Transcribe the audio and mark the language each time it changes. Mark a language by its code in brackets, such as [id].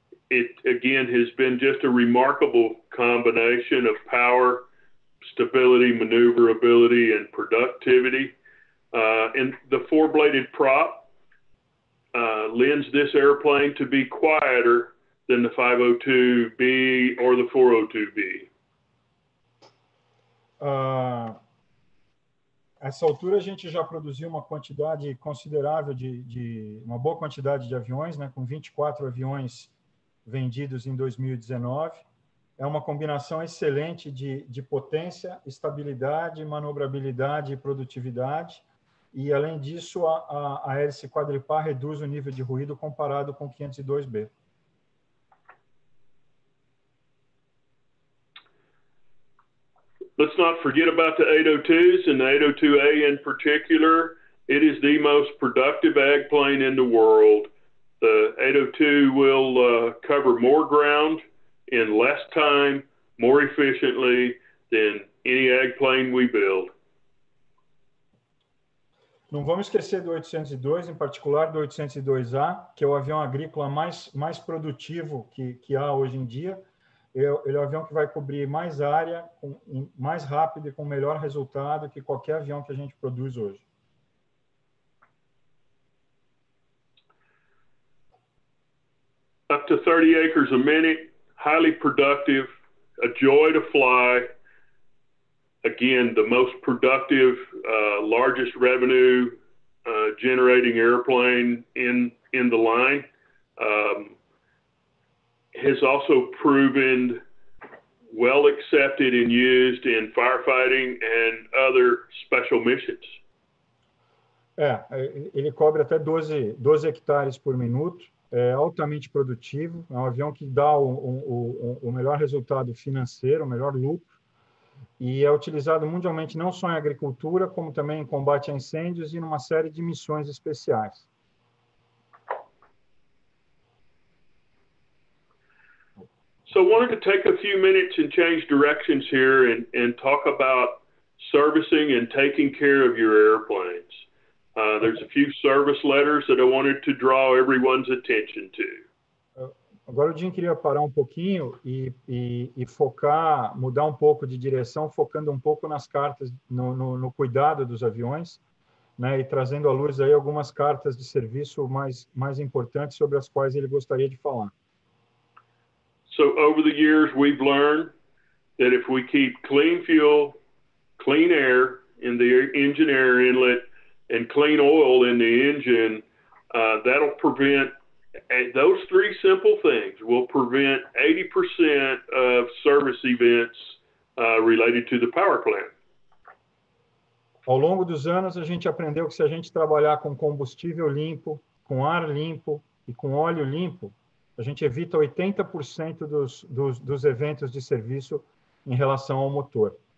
[en] It, again, has been just a remarkable combination of power, stability, maneuverability, and productivity. And the four-bladed prop lends this airplane to be quieter than the 502B or the 402B. [pt] Essa altura a gente já produziu uma quantidade considerável uma boa quantidade de aviões, né, com 24 aviões vendidos em 2019. É uma combinação excelente de potência, estabilidade, manobrabilidade e produtividade. E, além disso, a hélice quadripar reduz o nível de ruído comparado com o 502B. [en] Let's not forget about the 802s and the 802A in particular. It is the most productive ag plane in the world. The 802 will cover more ground in less time, more efficiently than any ag plane we build. [pt] Não vamos esquecer do 802, em particular do 802A, que é o avião agrícola mais produtivo que há hoje em dia. Ele é um avião que vai cobrir mais área, mais rápido e com melhor resultado que qualquer avião que a gente produz hoje. [en] Up to 30 acres a minute, highly productive, a joy to fly. Again, the most productive, largest revenue generating airplane in the line. Has also proven well accepted and used in firefighting and other special missions. [pt] É, ele cobre até 12 hectares por minuto, é altamente produtivo, é um avião que dá o melhor resultado financeiro, o melhor lucro, e é utilizado mundialmente não só em agricultura, como também em combate a incêndios e numa série de missões especiais. [en] So I wanted to take a few minutes and change directions here and talk about servicing and taking care of your airplanes. There's a few service letters that I wanted to draw everyone's attention to. [pt] Agora o Jim queria parar um pouquinho e focar, mudar um pouco de direção, focando um pouco nas cartas, no cuidado dos aviões, né, e trazendo à luz aí algumas cartas de serviço mais importantes sobre as quais ele gostaria de falar. [en] So over the years, we've learned that if we keep clean fuel, clean air in the engine air inlet, and clean oil in the engine, that'll prevent, those three simple things will prevent 80% of service events related to the power plant. [pt] Ao longo dos anos, a gente aprendeu que se a gente trabalhar com combustível limpo, com ar limpo e com óleo limpo, a gente evita 80% dos eventos de serviço em relação ao motor.